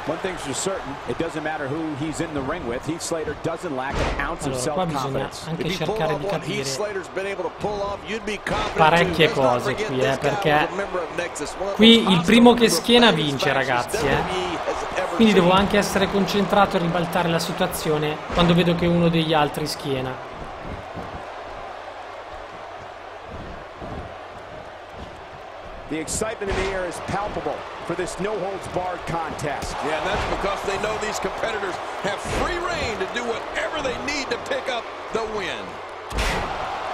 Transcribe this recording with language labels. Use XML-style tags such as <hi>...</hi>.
<en>One thing's for certain, it doesn't matter who he's in the ring with. Heath Slater doesn't lack an ounce of self-confidence. If you pull up what Heath Slater's been able to pull off, you'd be confident.</en> <it>Parecchie cose qui, perché qui il primo che schiena vince, ragazzi. Quindi devo anche essere concentrato e ribaltare la situazione quando vedo che uno degli altri schiena.</it> <en>The excitement in the air is palpable for this no-holds-barred contest. Yeah, and that's because they know these competitors have free reign to do whatever they need to pick up the win.</en>